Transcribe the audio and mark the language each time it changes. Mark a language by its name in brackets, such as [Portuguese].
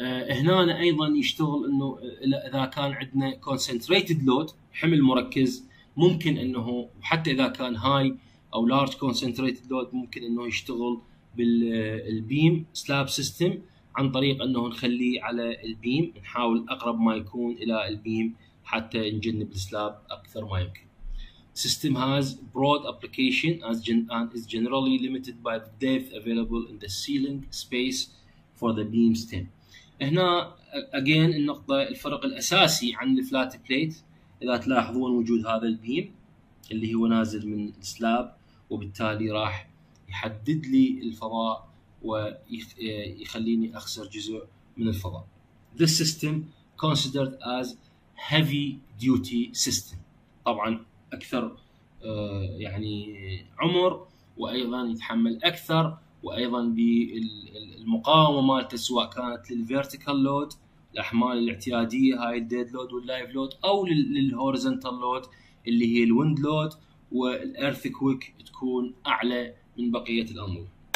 [Arabic] هنا ايضا يشتغل انه اذا كان عندنا concentrated load، حمل مركز، ممكن انه حتى اذا كان high او large concentrated load ممكن انه يشتغل بالبيم سلاب سيستم، عن طريق انه نخليه على البيم، نحاول اقرب ما يكون الى البيم حتى نجنب السلاب اكثر ما يمكن. [English] System has broad application as is generally limited by the depth available in the ceiling space for the beam stem. [Arabic] هنا again النقطة، الفرق الأساسي عن الفلات بليت، إذا تلاحظون وجود هذا البيم اللي هو نازل من السلاب، وبالتالي راح يحدد لي الفضاء ويخليني أخسر جزء من الفضاء. [English] This system considered as heavy duty system. [Arabic] طبعاً أكثر يعني عمر، وأيضاً يتحمل أكثر، وأيضاً بالمقاومة مالته سواء كانت للvertical load، الأحمال الاعتيادية هاي dead load واللايف load، أو للhorizontal load اللي هي الwind load والearthquake، تكون أعلى من بقية الأنظمة.